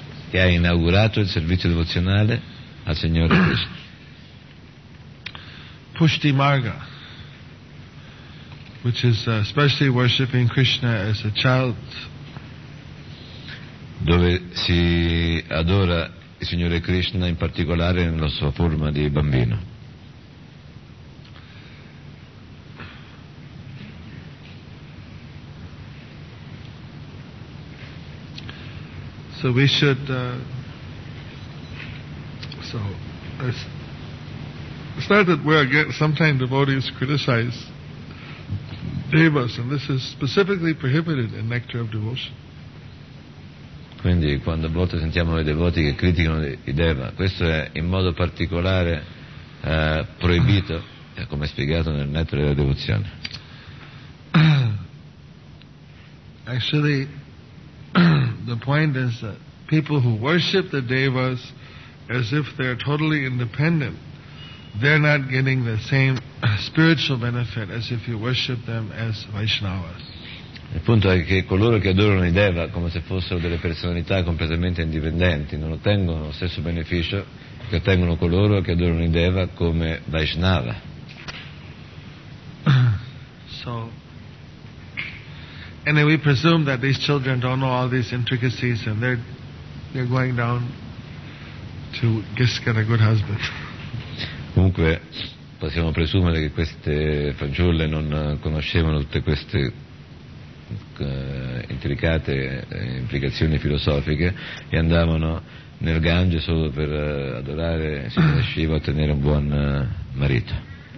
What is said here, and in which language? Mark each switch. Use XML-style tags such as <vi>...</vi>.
<it>Che ha inaugurato il servizio devozionale al Signore Krishna.</it> <en>Pushti Marga, which is especially worshipping Krishna as a child.</en> <it>Dove si adora il Signore Krishna in particolare nella sua forma di bambino.</it> <en>So we should it's not that we're against, sometimes devotees criticize devas, and this is specifically prohibited in Nectar of Devotion.</en> <it>Quindi quando a volte sentiamo i devoti che criticano i deva, questo è in modo particolare proibito, come spiegato nel Nectar della Devozione.</it> <en>Actually, the point is that people who worship the devas as if they're totally independent, they're not getting the same spiritual benefit as if you worship them as Vaishnavas.</en> <it>Il punto è che coloro che adorano i deva come se fossero delle personalità completamente indipendenti non ottengono lo stesso beneficio che ottengono coloro che adorano i deva come Vaishnava.</it> <en>So, and then we presume that these children don't know all these intricacies and they're going down to just get a good husband.</en> <it>Comunque possiamo presumere che queste fanciulle non conoscevano tutte queste intricate implicazioni filosofiche e andavano nel Gange solo per adorare Signore Shiva e ottenere un buon marito.</it>